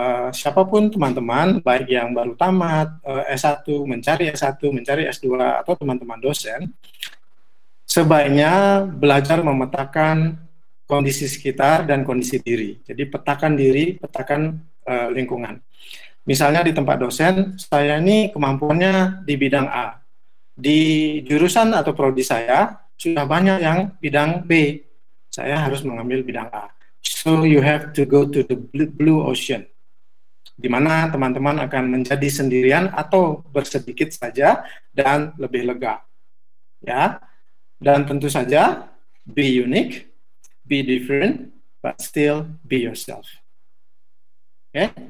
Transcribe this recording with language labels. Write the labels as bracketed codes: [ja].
[id] Siapapun teman-teman, baik yang baru tamat, S1, mencari S1, mencari S2, atau teman-teman dosen, sebaiknya belajar memetakan kondisi sekitar dan kondisi diri. Jadi petakan diri, petakan lingkungan. Misalnya di tempat dosen, saya ini kemampuannya di bidang A. Di jurusan atau prodi saya, sudah banyak yang bidang B. Saya harus mengambil bidang A. [en] So you have to go to the blue ocean. [id] Di mana teman-teman akan menjadi sendirian atau bersedikit saja dan lebih lega. Ya. Dan tentu saja [en] be unique, be different, but still be yourself. Oke. Okay?